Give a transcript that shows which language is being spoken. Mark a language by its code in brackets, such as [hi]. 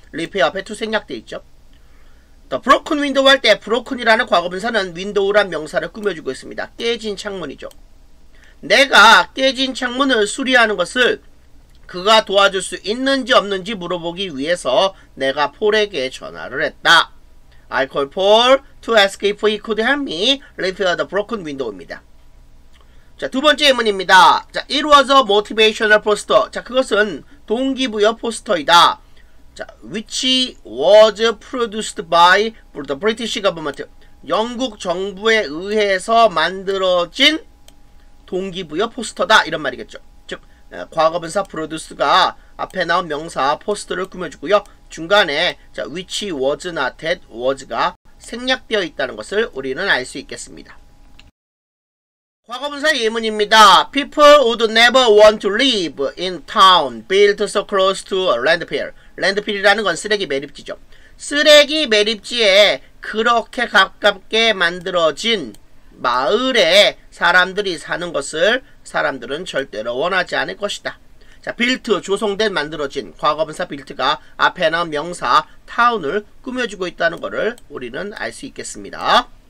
[ko] repair 앞에 to 생략되어 있죠. [en] The broken window [ko] 할 때 broken이라는 과거분사는 window란 명사를 꾸며주고 있습니다. 깨진 창문이죠. 내가 깨진 창문을 수리하는 것을 그가 도와줄 수 있는지 없는지 물어보기 위해서 내가 폴에게 전화를 했다. [en] I call Paul to ask if he could help me repair the broken window입니다. [ko] 자, 두 번째 예문입니다. [en] 자, it was a motivational poster. [ko] 자, 그것은 동기부여 포스터이다. [en] 자, which was produced by the British government. [ko] 영국 정부에 의해서 만들어진 동기부여 포스터다. 이런 말이겠죠. 과거분사 produce가 앞에 나온 명사 포스트를 꾸며주고요. 중간에 자, [en] which was not that was [ko] 가 생략되어 있다는 것을 우리는 알 수 있겠습니다. 과거분사 예문입니다. [en] People would never want to live in town built so close to a landfill. [ko] Landfill이라는 건 쓰레기 매립지죠. 쓰레기 매립지에 그렇게 가깝게 만들어진 마을에 사람들이 사는 것을 사람들은 절대로 원하지 않을 것이다. 자, built, 조성된, 만들어진, 과거분사 built가 앞에 나온 명사 town을 꾸며주고 있다는 것을 우리는 알 수 있겠습니다.